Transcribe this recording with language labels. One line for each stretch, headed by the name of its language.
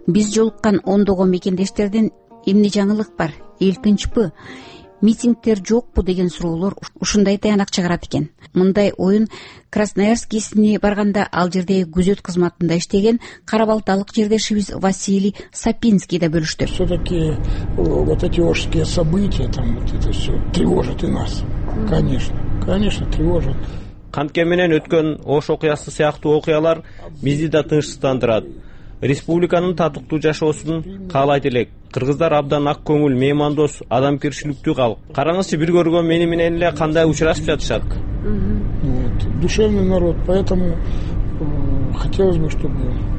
Kyrgyz: Биз жолуккан ондогон мекендештерден эмне жаңылык бар? Эл тынчпы? Митингдер жокпу деген суроолор ушундай таянак чыгарат экен. Мындай оюн Красноярскисине барганда ал жердеги күзөт кызматында иштеген карабалталык жердешибиз Василий Сапинский да бөлүштү.
Russian: Все-таки вот эти ошские события там вот это все тревожит и нас. Конечно, конечно, тревожит.
Kyrgyz: Кантке менен өткөн Ош окуясы сыяктуу окуялар бизди да тынчсыздандырат. Республиканын татыктуу жашоосун каалайт элек. Кыргыздар абдан ак көңүл, меймандос, адамкерчиликтүү калк. Караңызчы, бир көргөн мени менен эле кандай учурашып жатышат.
Russian: Вот, душевный народ, поэтому хотелось бы, чтобы